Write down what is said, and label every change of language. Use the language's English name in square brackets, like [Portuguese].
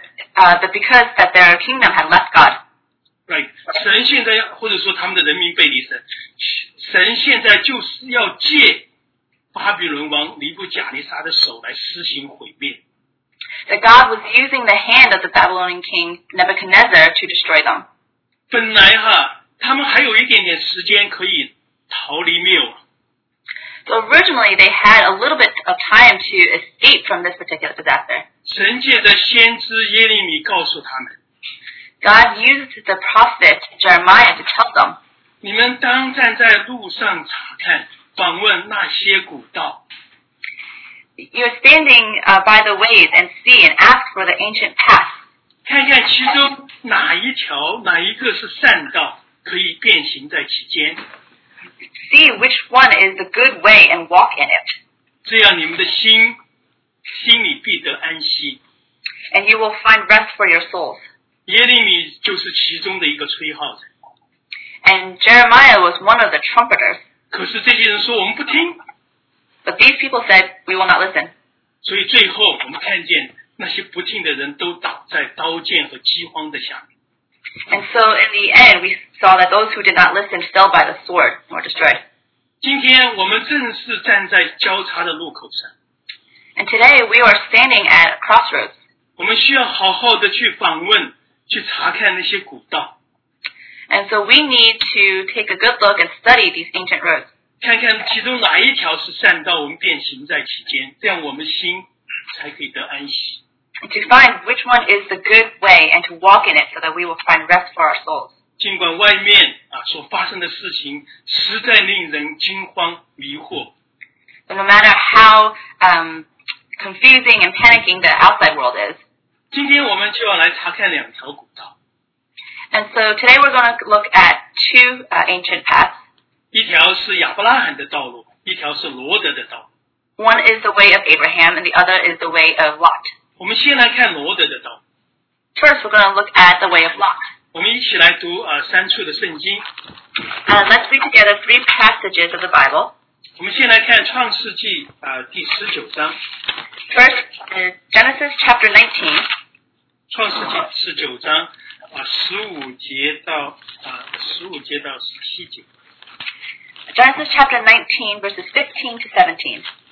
[English] Because their kingdom had left God. Right. [Chinese] 神现在或者说他们的人民背离神，神现在就是要借巴比伦王尼布甲尼撒的手来施行毁灭。 [English] That God was using the hand of the Babylonian king Nebuchadnezzar to destroy them. [Chinese] 本来哈。他们还有一点点时间可以逃离灭亡。 [English] So originally they had a little bit of time to escape from this particular disaster. [Chinese] 神借着先知耶利米告诉他们。 [English] God used the prophet Jeremiah to tell them. [Chinese] 你们当站在路上查看，访问那些古道。 [English] You're standing by the ways and see and ask for the ancient paths. [Chinese] 看看其中哪一条，哪一个是善道。可以变形在其间。 [English] See which one is the good way and walk in it. [Chinese] 这样你们的心里必得安息。 [English] And you will find rest for your souls. [Chinese] 耶利米就是其中的一个吹号者。 [English] And Jeremiah was one of the trumpeters. [Chinese] 可是这些人说我们不听。 [English] But these people said we will not listen. [Chinese] 所以最后我们看见那些不听的人都倒在刀剑和饥荒的下面。 [English] And so in the end, we saw that those who did not listen fell by the sword nor destroyed. [Chinese] 今天我们正是站在交叉的路口上。 [English] And today we are standing at a crossroads. [Chinese] 我们需要好好的去访问，去查看那些古道。 [English] And so we need to take a good look and study these ancient roads. [Chinese] 看看其中哪一条是善道，我们变形在其间，这样我们心才可以得安息。 [English] To find which one is the good way and to walk in it so that we will find rest for our souls. [Chinese] 尽管外面啊所发生的事情实在令人惊慌迷惑。 [English] But no matter how confusing and panicking the outside world is. [Chinese] 今天我们就要来查看两条古道。 [English] And so today we're going to look at two ancient paths. [Chinese] 一条是亚伯拉罕的道路，一条是罗德的道路。 [English] One is the way of Abraham and the other is the way of Lot. [Chinese] 我们先来看罗德的道。 [English] First, we're going to look at the way of Lot. [Chinese] 我们一起来读三处的圣经。 [English] Let's read together three passages of the Bible. [Chinese] 我们先来看创世纪第十九章。 [English] First, Genesis chapter 19. [Chinese] 创世纪十九章十五节到十七节。 [English] Genesis chapter 19, verses 15 to 17.